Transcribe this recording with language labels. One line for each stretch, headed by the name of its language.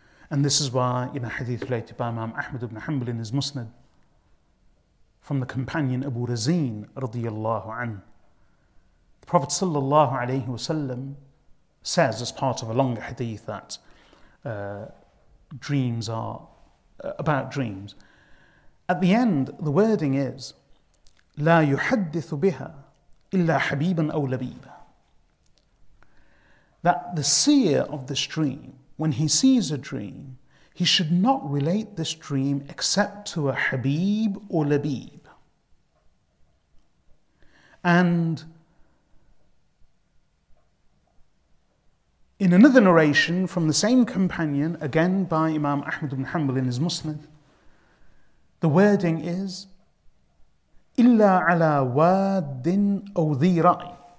English: And this is why in a hadith related by Imam Ahmad ibn Hanbal in his Musnad, from the companion Abu Razin radiyallahu anhu, the Prophet sallallahu alayhi wa sallam says, as part of a longer hadith, that dreams are about dreams. At the end, the wording is,
Arabic: لا يحدث بها إلا حبيبا أو لبيبا.
English: That the seer of this dream, when he sees a dream, he should not relate this dream except to a habib or labib. And in another narration from the same companion, again by Imam Ahmad ibn Hanbal in his Musnad, the wording is,
Arabic: إِلَّا عَلَى وَادٍ أَوْ ذِي رَأِي.